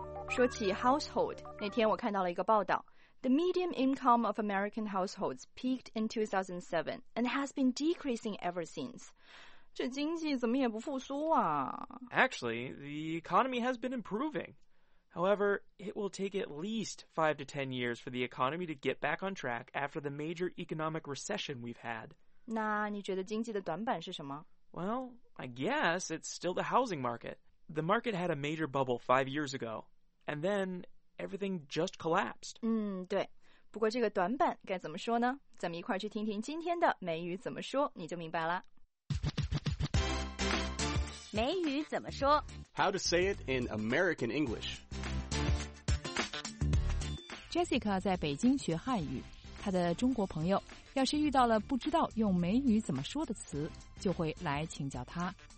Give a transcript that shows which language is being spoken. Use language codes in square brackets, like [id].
[zh] 说起 [en] Household, [zh] 那天我看到了一个报道， [en] The median income of American households peaked in 2007 and has been decreasing ever since. [zh] 这经济怎么也不复苏啊？ [en] Actually, the economy has been improving. However, it will take at least 5 to 10 years for the economy to get back on track after the major economic recession we've had. [zh] 那你觉得经济的短板是什么？ [en] Well, I guess it's still the housing market. The market had a major bubble 5 years ago, and then everything just collapsed. [zh] 对。不过这个短板该怎么说呢？咱们一块儿去听听今天的美语怎么说，你就明白了。美语怎么说？ [en] How to say it in American English. [zh] Jessica 在北京学汉语，她的中国朋友要是遇到了不知道用美语怎么说的词，就会来请教她。